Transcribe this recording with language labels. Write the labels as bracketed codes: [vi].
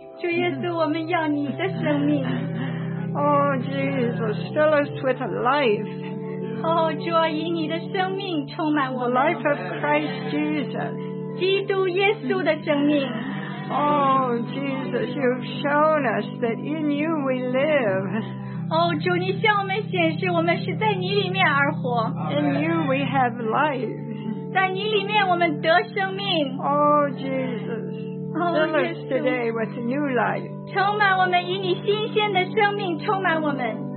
[zh] 主耶稣, 我们要你的生命。 [en] Oh, Jesus, fill us with a life. [zh] Oh, 主啊, 以你的生命充满我们。 [en] The life of Christ Jesus. [zh] 基督耶稣的生命。 [en] Oh, Jesus, you've shown us that in you we live. [zh] Oh, 主, 你向我们显示, 我们是在你里面而活。 [en] In you we have life. [zh] 在你里面我们得生命。 [en] Oh, Jesus, fill us today with new life. [zh] 充满我们，以你新鲜的生命充满我们。